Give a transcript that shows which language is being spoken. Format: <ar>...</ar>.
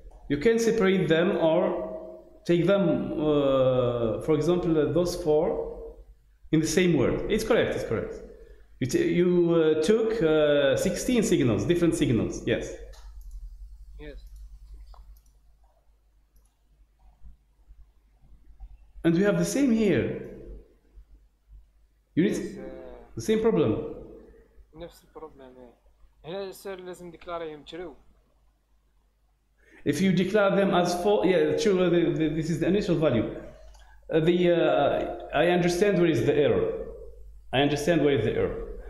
<en>You can separate them or take them, for example, those four in the same word. It's correct. You took 16 signals, different signals. Yes. Yes. And we have the same here. You need... The same problem.</en> <ar>نفس البروبليم هنا سير لازم ديكلاريهم true.</ar> <en>If you declare them as false, yeah, true. This is the initial value. I understand where is the error. I understand where is the error.</en>